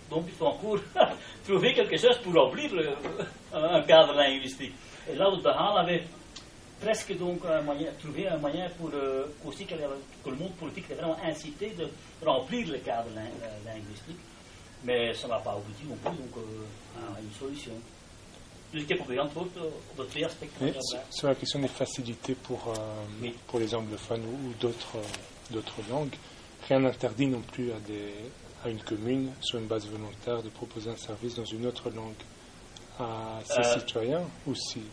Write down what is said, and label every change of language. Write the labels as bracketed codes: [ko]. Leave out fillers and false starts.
[fr] Donc il faut encore trouver quelque chose pour remplir un cadre linguistique. Et là, de Haal avait presque donc trouvé un moyen pour aussi que le monde politique était vraiment incité de remplir le cadre linguistique. Mais ça ne m'a pas abouti non plus, donc une solution. [nl] Dus ik heb ook antwoord op de twee aspecten. [fr] Sur la question des facilités pour les anglophones ou d'autres langues. Rien n'interdit non plus à une commune, sur une base volontaire, de proposer un service dans une autre langue à ses citoyens aussi.